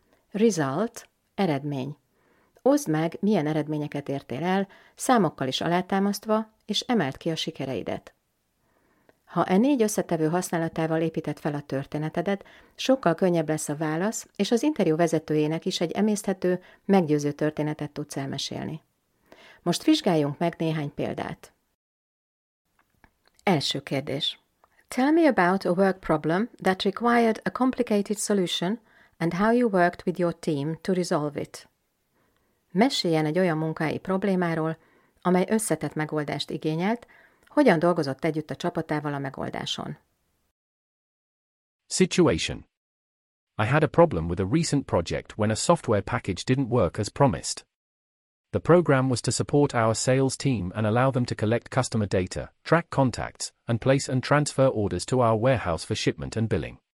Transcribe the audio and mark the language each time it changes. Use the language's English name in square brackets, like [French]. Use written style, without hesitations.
[Hungarian] Result, eredmény. Oszd meg, milyen eredményeket értél el, számokkal is alátámasztva, és emeld ki a sikereidet. Ha e 4 összetevő használatával építed fel a történetedet, sokkal könnyebb lesz a válasz, és az interjú vezetőjének is egy emészthető, meggyőző történetet tudsz elmesélni. Most vizsgáljunk meg néhány példát. Első kérdés. [English] Tell me about a work problem that required a complicated solution and how you worked with your team to resolve it. [Hungarian] Meséljen egy olyan munkahelyi problémáról, amely összetett megoldást igényelt, hogyan dolgozott együtt a csapatával a megoldáson? [English] Situation. I had a problem with a recent project when a software package didn't work as promised. The program was to support our sales team and allow them to collect customer data, track contacts, and place and transfer orders to our warehouse for shipment and billing.